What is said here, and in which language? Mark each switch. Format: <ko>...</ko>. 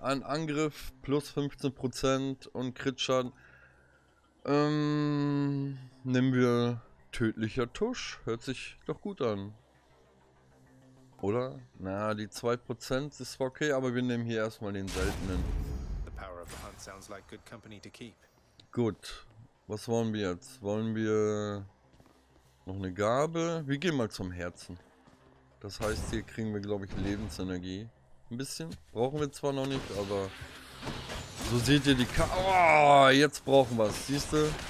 <de>Ein Angriff plus 15% und Kritschern. Nehmen wir tödlicher Tusch. Hört sich doch gut an. Oder? Na, die 2% ist zwar okay, aber wir nehmen hier erstmal den seltenen.</de> <en>The power of the hunt sounds like good company to keep.</en> <de>Gut. Was wollen wir jetzt? Wollen wir noch eine Gabe? Wir gehen mal zum Herzen. Das heißt, hier kriegen wir, glaube ich, Lebensenergie. Ein bisschen. Brauchen wir zwar noch nicht, aber so seht ihr die Karte. Oh, jetzt brauchen wir es. Siehst du?</de>